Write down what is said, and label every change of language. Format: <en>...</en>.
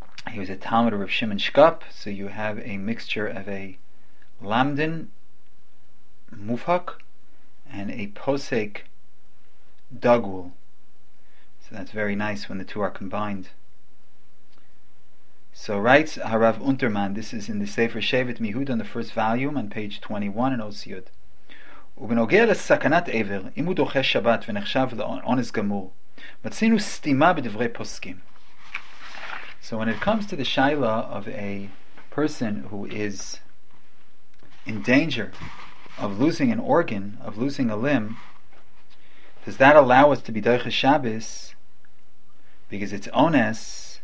<en>He was a Talmud of Rav Shimon Shkop, so you have a mixture of a Lamdin Mufak and a Posek Dagul. So that's very nice when the two are combined. So writes Harav Unterman, this is in the Sefer Shevet Mehuda on the first volume on page 21 in Osiyot.</en> <he>ובנוגע לסכנת עבר, אם הוא דוחה שבת ונחשב לאונס גמור, מצינו סתימה בדברי פוסקים.</he> <en>So when it comes to the shayla of a person who is in danger of losing an organ, of losing a limb, does that allow us to be doicha Shabbos because it's ones?</en>